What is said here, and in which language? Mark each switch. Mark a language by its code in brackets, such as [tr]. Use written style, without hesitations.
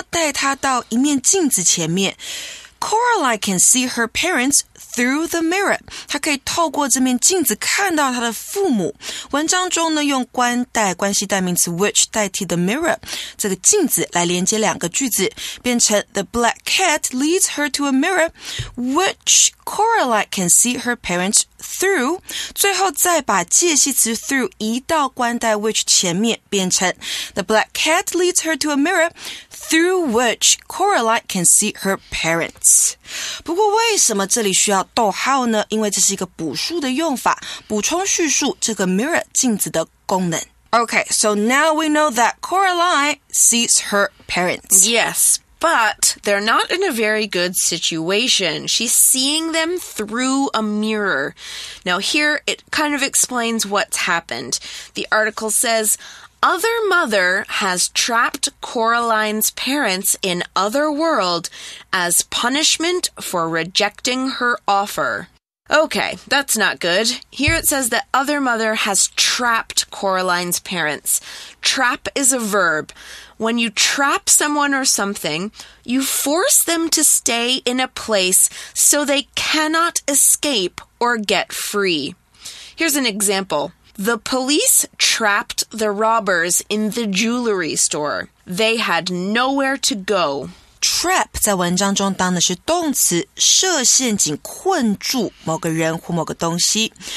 [zh] 黑猫带她到一面镜子前面. [en] Coraline can see her parents through the mirror. [zh] 她可以透过这面镜子看到她的父母. 文章中呢用关系代名词 which 代替the mirror 这个镜子来连接两个句子 变成 [en] The black cat leads her to a mirror which Coraline can see her parents through. [zh] 最后再把介系词 through 移到关代 which 前面 变成 [en] The black cat leads her to a mirror through which Coraline can see her parents. [zh] 不过为什么这里需要逗号呢? 因为这是一个补述的用法, 补充叙述 这个 mirror 镜子的功能. [en] Okay, so now we know that Coraline sees her parents. Yes. But they're not in a very good situation. She's seeing them through a mirror. Now here, it kind of explains what's happened. The article says, Other Mother has trapped Coraline's parents in Other World as punishment for rejecting her offer. Okay, that's not good. Here it says that other mother has trapped Coraline's parents. Trap is a verb. When you trap someone or something, you force them to stay in a place so they cannot escape or get free. Here's an example. The police trapped the robbers in the jewelry store. They had nowhere to go. [zh] Trap 在文章中当的是动词，设陷阱困住某个人或某个东西。